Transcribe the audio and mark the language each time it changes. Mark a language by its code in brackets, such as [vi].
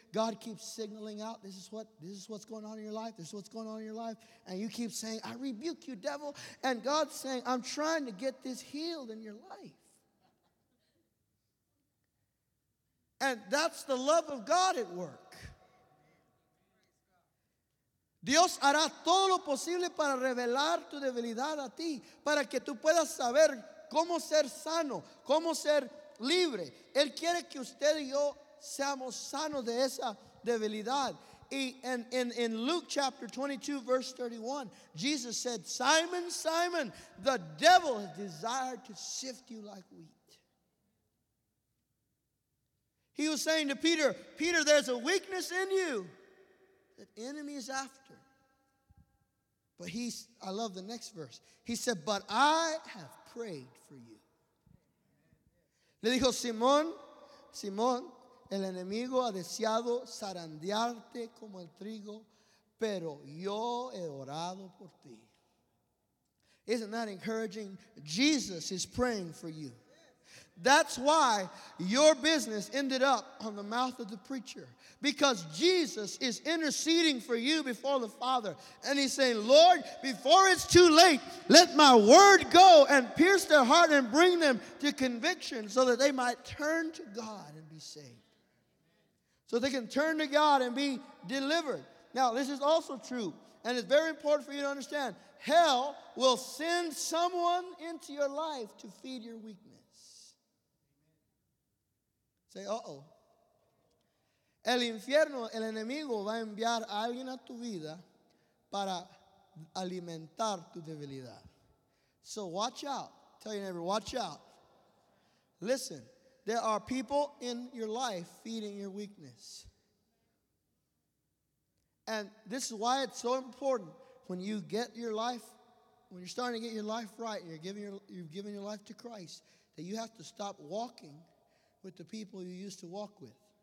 [en] God keeps signaling out, this is what's going on in your life. This is what's going on in your life. And you keep saying, I rebuke you, devil. And God's saying, I'm trying to get this healed in your life. And that's the love of God at work. [es] Dios hará todo lo posible para revelar tu debilidad a ti, para que tú puedas saber cómo ser sano, cómo ser libre. Él quiere que usted y yo seamos sanos de esa debilidad. [en] In Luke chapter 22, verse 31, Jesus said, Simon, Simon, the devil has desired to sift you like wheat. He was saying to Peter, Peter, there's a weakness in you. The enemy is after. But I love the next verse. He said, but I have prayed for you. [es] Le dijo, Simón, Simón, el enemigo ha deseado zarandearte como el trigo, pero yo he orado por ti. [en] Isn't that encouraging? Jesus is praying for you. That's why your business ended up on the mouth of the preacher. Because Jesus is interceding for you before the Father. And he's saying, Lord, before it's too late, let my word go and pierce their heart and bring them to conviction so that they might turn to God and be saved. So they can turn to God and be delivered. Now, this is also true, and it's very important for you to understand. Hell will send someone into your life to feed your weakness. Say, uh-oh. [es] El infierno, el enemigo, va a enviar a alguien a tu vida para alimentar tu debilidad. [en] So watch out. Tell your neighbor, watch out. Listen, there are people in your life feeding your weakness. And this is why it's so important when you get your life, when you're starting to get your life right, and you're giving your life to Christ, that you have to stop walking with the people you used to walk with.